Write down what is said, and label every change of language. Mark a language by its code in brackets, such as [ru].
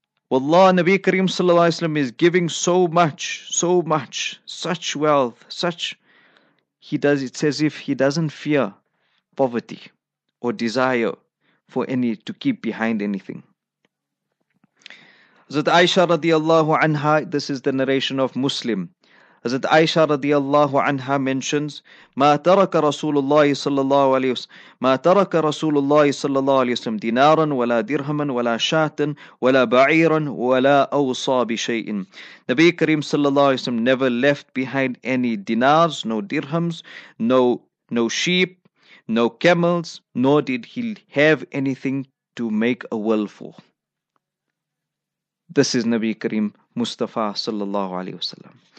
[en] Wallah, Nabi Karim sallallahu alayhi wa sallam is giving so much, such wealth, such, he does, it's as if he doesn't fear poverty or desire for any, to keep behind anything. Hazrat Aisha radiallahu anha, this is the narration of Muslim. Hazrat Aisha radiallahu anha mentions, [ar] ما ترك رسول الله صلى الله عليه وسلم ما ترك رسول الله صلى الله عليه وسلم دينارا ولا درهما ولا شاة ولا بعيرا ولا أوصى بشيء. [en] Nabi Karim صلى الله عليه وسلم never left behind any dinars, no dirhams, no sheep, no camels, nor did he have anything to make a will for. This is Nabi Karim Mustafa sallallahu alayhi wa sallam.